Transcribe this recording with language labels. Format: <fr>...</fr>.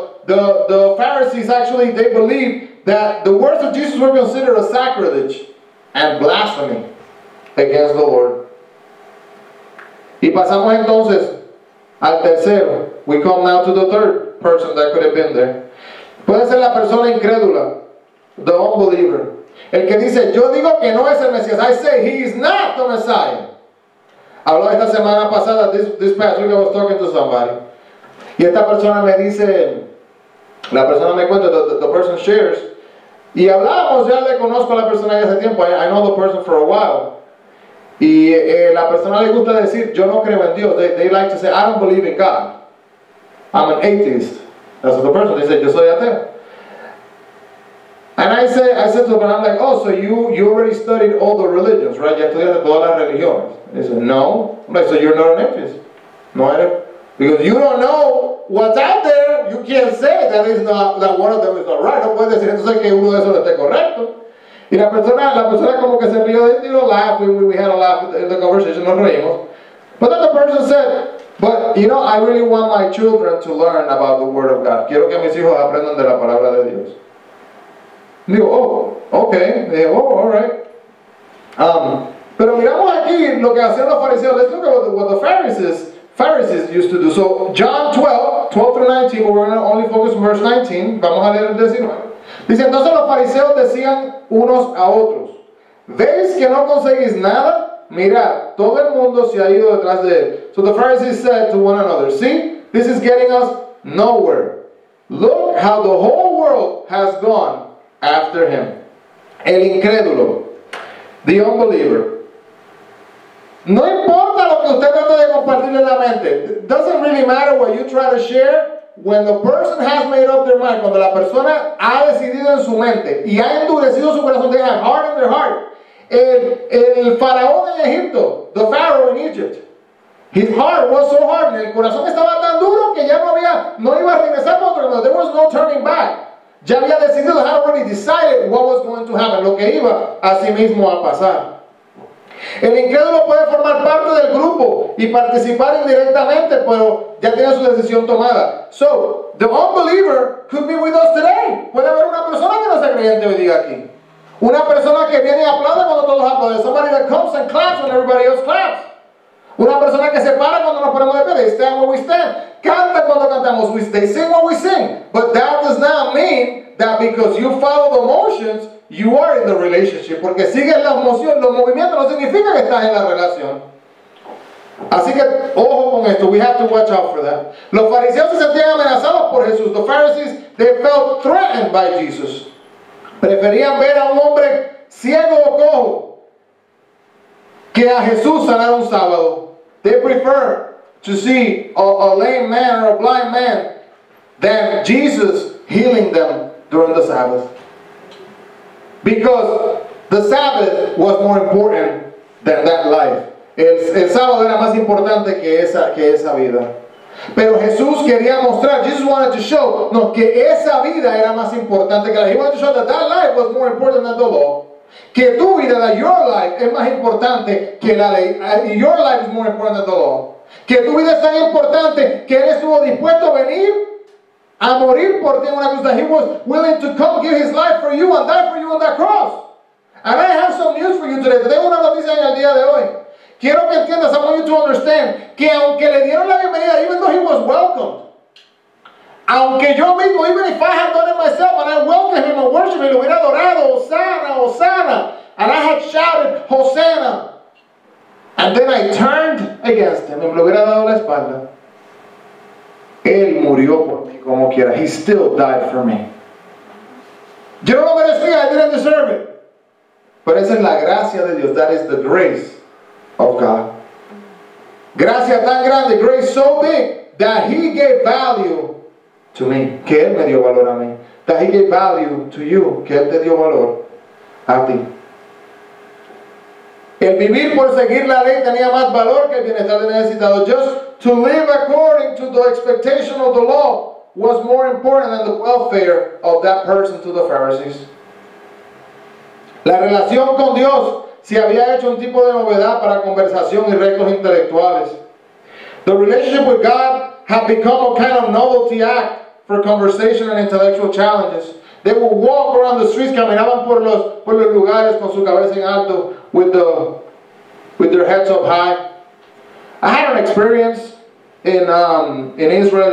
<en>The Pharisees actually, they believed that the words of Jesus were considered a sacrilege and blasphemy against the Lord.</en> <es>Y pasamos entonces al tercero.</es> <en>We come now to the third person that could have been there.</en> <es>Puede ser la persona incrédula,</es> <en>the unbeliever.</en> <es>El que dice, yo digo que no es el Mesías.</es> <en>I say, he is not the Messiah.</en> <es>Habló esta semana pasada,</es> <en>this past week I was talking to somebody.</en> <es>Y esta persona me dice, la persona me cuenta,</es> <en>the person shares.</en> <es>Y hablamos, ya le conozco a la persona ya hace tiempo,</es> <en>I know the person for a while.</en> <es>Y la persona le gusta decir, yo no creo en Dios.</es> <en>They like to say, I don't believe in God. I'm an atheist. That's what the person, they say,</en> <es>yo soy ateo.</es> <en>And I said to him, I'm like, oh, so you already studied all the religions, right?</en> <es>Ya estudiaste todas las religiones.</es> <en>He said, no. I'm like, so you're not an atheist. No, I don't. Because you don't know what's out there. You can't say that is not that one of them is not right.</en> <es>No puedes decir entonces que uno de esos no esté correcto. Y la persona como que se rió de él y lo laughed.</es> <en>We had a laugh in the conversation.</en> <es>Nos reímos.</es> <en>But then the person said, but, you know, I really want my children to learn about the Word of God.</en> <es>Quiero que mis hijos aprendan de la Palabra de Dios. Digo, oh, okay. Digo,</es> <en>oh, all right.</en> <es>Pero miramos aquí lo que hacían los fariseos.</es> <en>Let's look at what the Pharisees used to do. So, John 12 through 19, we're going to only focus on verse 19.</en> <es>Vamos a leer el 19. Dice, entonces los fariseos decían unos a otros, ¿veis que no conseguís nada? Mirad, todo el mundo se ha ido detrás de él.</es> <en>So the Pharisees said to one another, see, this is getting us nowhere. Look how the whole world has gone after him.</en> <es>El incrédulo,</es> <en>the unbeliever.</en> <es>No importa lo que usted trate de compartir en la mente.</es> <en>It doesn't really matter what you try to share. When the person has made up their mind,</en> <es>cuando la persona ha decidido en su mente y ha endurecido su corazón,</es> <en>they have hardened their heart.</en> <es>El faraón en Egipto,</es> <en>the pharaoh in Egypt, his heart was so hard,</en> <es>el corazón estaba tan duro que ya no iba a regresar para otro lado.</es> <en>There was no turning back.</en> <es>Ya había decidido,</es> <en>had already decided what was going to happen,</en> <es>lo que iba a sí mismo a pasar. El incrédulo puede formar parte del grupo y participar indirectamente, pero ya tiene su decisión tomada.</es> <en>So, the unbeliever could be with us today.</en> <es>Puede haber una persona que no sea creyente hoy día aquí. Una persona que viene y aplaude cuando todos aplauden.</es> <en>Somebody that comes and claps when everybody else claps.</en> <es>Una persona que se para cuando nos ponemos de pie.</es> <en>They stand where we stand.</en> <es>Canta cuando cantamos.</es> <en>They sing when we sing. But that does not mean that because you follow the motions, you are in the relationship.</en> <es>Porque sigues la emoción, los movimientos, no significa que estás en la relación. Así que, ojo con esto.</es> <en>We have to watch out for that.</en> <es>Los fariseos se sentían amenazados por Jesús.</es> <en>The Pharisees, they felt threatened by Jesus.</en> <es>Preferían ver a un hombre ciego o cojo que a Jesús sanar un sábado.</es> <en>They prefer to see a lame man or a blind man than Jesus healing them during the Sabbath. Because the Sabbath was more important than that life.</en> <es>El sábado era más importante que esa vida. Pero Jesús quería mostrar,</es> <en>Jesus wanted to show,</en> <es>no, que esa vida era más importante que la vida.</es> <en>He wanted to show that life was more important than the law.</en> <es>Que tu vida,</es> <en>that your life,</en> <es>es más importante que la ley.</es> <en>Your life is more important than the law.</en> <es>Que tu vida es tan importante que Él estuvo dispuesto a venir a morir por ti en una cruz.</es> <en>That He was willing to come give His life for you and die for you on that cross. And I have some news for you today.</en> <es>Te tengo una noticia en el día de hoy. Quiero que entiendas,</es> <en>I want you to understand,</en> <es>que aunque le dieron la bienvenida,</es> <en>even though he was welcomed,</en> <es>aunque yo mismo,</es> <en>even if I had done it myself, and I welcomed him and worshiped him,</en> <es>lo hubiera adorado, Hosanna, Hosanna,</es> <en>and I had shouted, Hosanna, and then I turned against him,</en> <es>me lo hubiera dado la espalda, él murió por mí como quiera,</es> <en>he still died for me.</en> <es>Yo no lo merecía,</es> <en>I didn't deserve it.</en> <es>Pero esa es la gracia de Dios,</es> <en>that is the grace of God.</en> <es>Gracia tan grande,</es> <en>grace so big, that He gave value to me,</en> <es>que Él me dio valor a mí.</es> <en>That He gave value to you,</en> <es>que Él te dio valor a ti. El vivir por seguir la ley tenía más valor que el bienestar del necesitado.</es> <en>Just to live according to the expectation of the law was more important than the welfare of that person to the Pharisees.</en> <es>La relación con Dios se había hecho un tipo de novedad para conversación y retos intelectuales.</es> <en>The relationship with God had become a kind of novelty act for conversation and intellectual challenges. They would walk around the streets,</en> <es>caminaban por los lugares con su cabeza en alto,</es> <en>with their heads up high. I had an experience in Israel.</en>